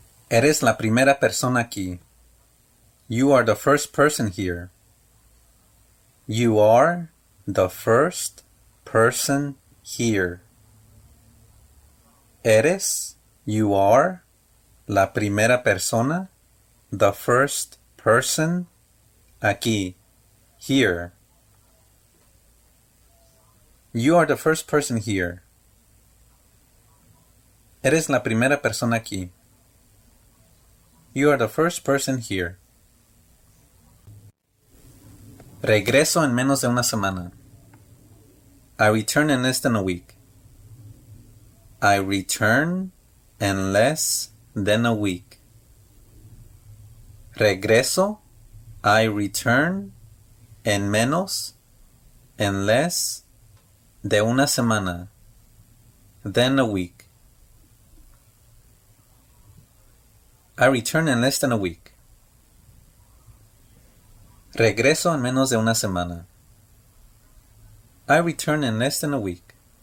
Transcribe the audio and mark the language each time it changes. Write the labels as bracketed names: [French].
[Spanish] Eres la primera persona aquí. [English] You are the first person here. You are the first person here. [Spanish] Eres, [English] you are, [Spanish] la primera persona, [English] the first person, [Spanish] aquí, [English] here. You are the first person here. [Spanish] Eres la primera persona aquí. [English] You are the first person here. [Spanish] Regreso en menos de una semana. [English] I return in less than a week. I return in less than a week. [Spanish] Regreso. [English] I return [Spanish] en menos, en [English] less, [Spanish] de una semana. [English] Then a week. I return in less than a week. [Spanish] Regreso en menos de una semana. [English] I return in less than a week.